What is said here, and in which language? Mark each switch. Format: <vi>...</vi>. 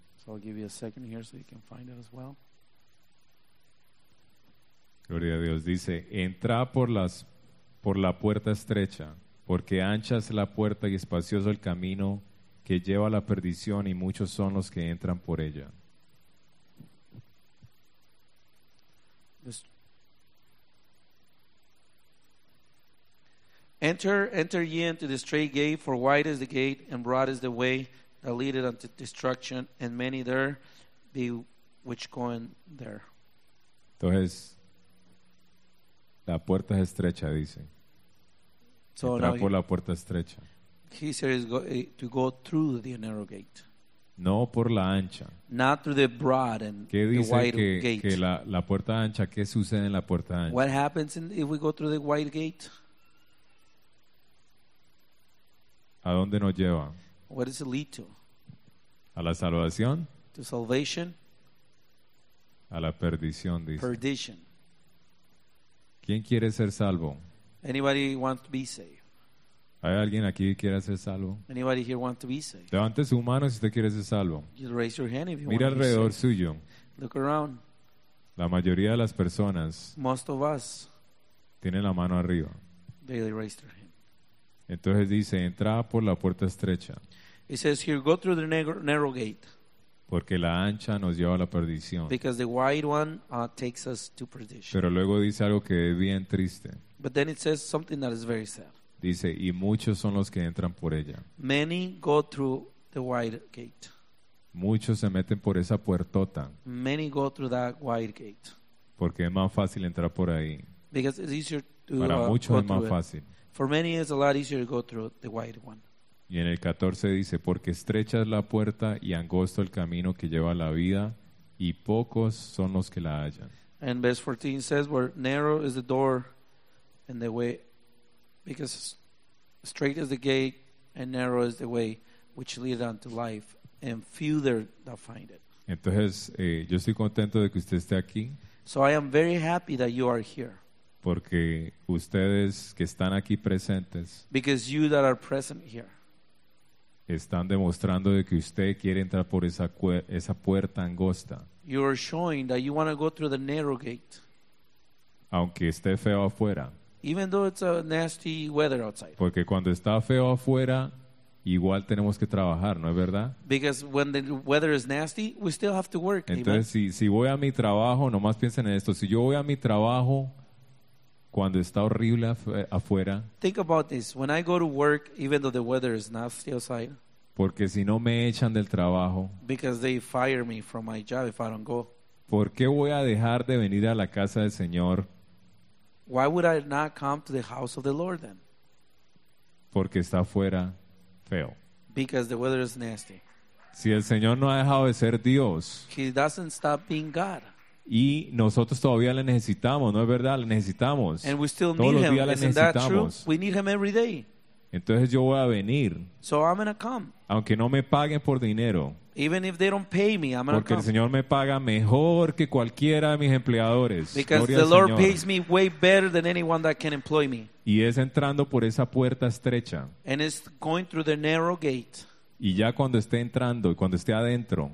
<en>So I'll give you a second here so you can find it as well.</en> <es>Gloria a Dios. Dice, entra por la puerta estrecha, porque ancha es la puerta y espacioso el camino que lleva a la perdición, y muchos son los que entran por ella.</es> <en>Enter ye into the straight gate, for wide is the gate and broad is the way that leadeth unto destruction, and many there be which go in there.</en> <es>Entonces, la puerta es estrecha, dice.</es> <en>So</en> <es>entra por la puerta estrecha.</es> <en>He says to go through the narrow gate.</en> <es>No por la ancha.</es> <en>Not through the broad and</en> <es>¿Qué</es> <en>the wide</en> <es>que,</es> <en>gate.</en> <es>Que la puerta ancha, ¿qué sucede en la puerta ancha?</es> <en>What happens if we go through the wide gate?</en> <es>¿A dónde nos lleva?</es> <en>What does it lead to?</en> <es>¿A la salvación?</es> <en>To salvation.</en> <es>A la perdición, dice.</es> <en>Perdition.</en> <es>¿Quién quiere ser salvo?</es> <en>Anybody wants to be saved?</en> <es>¿Hay alguien aquí que quiera ser salvo?</es> <en>Anybody here want to be saved?</en> <es>Levante su mano si usted quiere ser salvo.</es> <en>You raise your hand if you</en> <es>Mira</es> <en>want</en> <es>alrededor</es> <en>to be</en> <es>suyo.</es> <en>Look around.</en> <es>La mayoría de las personas.</es> <en>Most of us.</en> <es>Tienen la mano arriba.</es> <en>They raise their hand.</en> <es>Entonces dice, entra por la puerta estrecha.</es> <en>It says here, go through the narrow gate.</en> <es>Porque la ancha nos lleva a la perdición.</es> <en>Because the wide one takes us to perdition.</en> <es>Pero luego dice algo que es bien triste.</es> <en>But then it says something that is very sad.</en> <es>Dice, y muchos son los que entran por ella.</es> <en>Many go through the wide gate.</en> <es>Muchos se meten por esa puertota.</es> <en>Many go through that wide gate.</en> <es>Porque es más fácil entrar por ahí.</es> <en>Because it's easier to</en> <es>Para muchos es más fácil.</es> <en>For many it's a lot easier to go through the wide one.</en> <es>Y en el 14 dice, porque estrecha es la puerta y angosto el camino que lleva a la vida, y pocos son los que la hallan.</es> <en>And verse 14 says, where narrow is the door and the way, because straight is the gate and narrow is the way which leads unto life, and few there that find it.</en> <es>Entonces, yo estoy contento de que usted esté aquí.</es> <en>So I am very happy that you are here.</en> <es>Porque ustedes que están aquí presentes.</es> <en>Because you that are present here.</en> <es>Están demostrando de que usted quiere entrar por esa puerta angosta.</es> <en>You are showing that you want to go through the narrow gate.</en> <es>Aunque esté feo afuera.</es> <en>Even though it's a nasty weather outside.</en> <es>Porque cuando está feo afuera, igual tenemos que trabajar, ¿no es verdad?</es> <en>Because when the weather is nasty, we still have to work.</en> <es>Entonces,</es> <en>amen.</en> <es>Si voy a mi trabajo, nomás piensen en esto. Si yo voy a mi trabajo cuando está horrible afuera.</es> <en>Think about this. When I go to work, even though the weather is nasty outside.</en> <es>Porque si no me echan del trabajo.</es> <en>Because they fire me from my job if I don't go.</en> <es>¿Por qué voy a dejar de venir a la casa del Señor?</es> <en>Why would I not come to the house of the Lord then?</en> <es>Porque está afuera feo.</es> <en>Because the weather is nasty.</en> <es>Si el Señor no ha dejado de ser Dios.</es> <en>He doesn't stop being God.</en> <es>Y nosotros todavía le necesitamos, ¿no es verdad? Le necesitamos.</es> <en>And we still</en> <es>Todos</es> <en>need</en> <es>los días</es> <en>him.</en> <es>Le necesitamos.</es> <en>Isn't that true? We need him every day.</en> <es>Entonces yo voy a venir.</es> <en>So I'm gonna come.</en> <es>Aunque no me paguen por dinero.</es> <en>Even if they don't pay me, I'm gonna</en> <es>Porque</es> <en>come.</en> <es>El Señor me paga mejor que cualquiera de mis empleadores.</es> <en>Because</en> <es>Gloria</es> <en>the</en> <es>al</es> <en>Lord</en> <es>Señor.</es> <en>Pays me way better than anyone that can employ me.</en> <es>Y es entrando por esa puerta estrecha.</es> <en>And it's going through the narrow gate.</en> <es>Y ya cuando esté entrando, cuando esté adentro,</es>